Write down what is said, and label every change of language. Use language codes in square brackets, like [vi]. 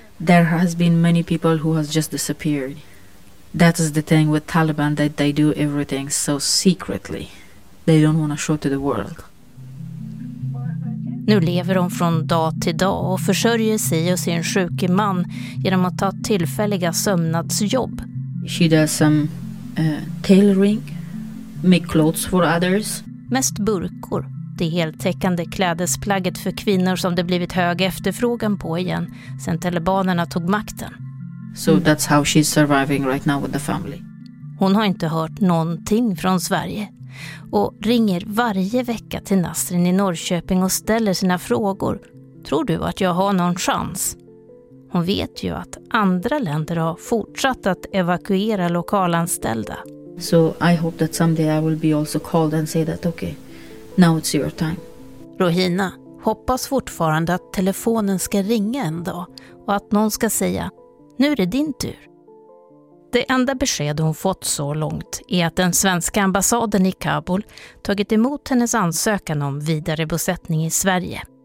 [en] There has been many people who has just disappeared. That is the thing with Taliban, that they do everything so secretly. They don't want to show to the world. [sv] Nu lever de från dag till dag och försörjer sig och sin sjuke man genom att ta tillfälliga sömnadsjobb. [en] She does some tailoring, make clothes for others. [sv] Mest burkor, det heltäckande klädesplagget för kvinnor som det blivit hög efterfrågan på igen sen talibanerna tog makten. [en] So that's how she's surviving right now with the family. [sv] Hon har inte hört någonting från Sverige och ringer varje vecka till Nasrin i Norrköping och ställer sina frågor. Tror du att jag har någon chans? Hon vet ju att andra länder har fortsatt att evakuera lokalanställda. [en] So I hope that someday I will be also called and say that okay, now it's your time. [sv] Rohina hoppas fortfarande att telefonen ska ringa en dag och att någon ska säga, nu är det din tur. Det enda besked hon fått så långt är att den svenska ambassaden i Kabul tagit emot hennes ansökan om vidare bosättning i Sverige.